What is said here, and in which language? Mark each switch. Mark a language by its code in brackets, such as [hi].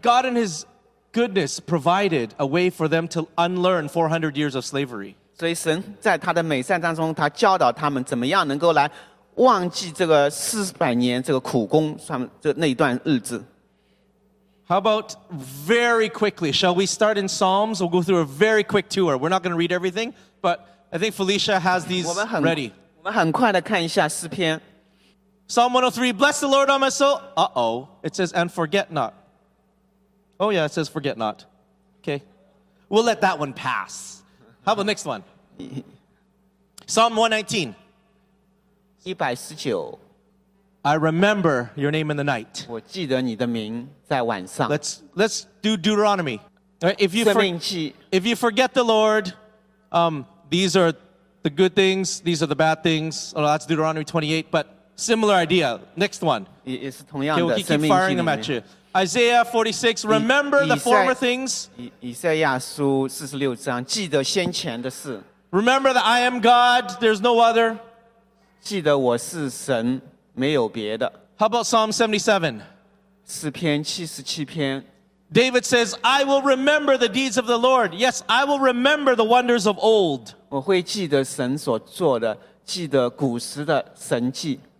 [en] God in His goodness provided a way for them to unlearn 400 years of slavery. [zh] 所以神在他的美善当中，他教导他们怎么样能够来忘记这个400年这个苦工，他们这那一段日子。How [en] about very quickly? Shall we start in Psalms? We'll go through a very quick tour. We're not gonna read everything, but I think Felicia has these ready. [zh] 我们很快的看一下诗篇。Psalm [en] 103, bless the Lord, O my soul. Uh-oh, it says, and forget not. Oh yeah, it says forget not. Okay, we'll let that one pass. How about next one? Psalm 119. 119. I remember your name in the night. [zh] 我记得你的名在晚上。 [en] Let's do Deuteronomy. If you forget the Lord, these are the good things, these are the bad things. Oh, that's Deuteronomy 28, but similar idea. Next one. Okay, we'll keep firing them at you. Isaiah 46, remember the former things. [zh] 以赛亚书46章,记得先前的事。 [en] Remember that I am God, there's no other. [zh] 记得我是神,没有别的。 [en] How about Psalm 77? [zh] 诗篇77篇。 [en] David says, I will remember the deeds of the Lord. Yes, I will remember the wonders of old. [zh] 我会记得神所做的，记得古时的神迹。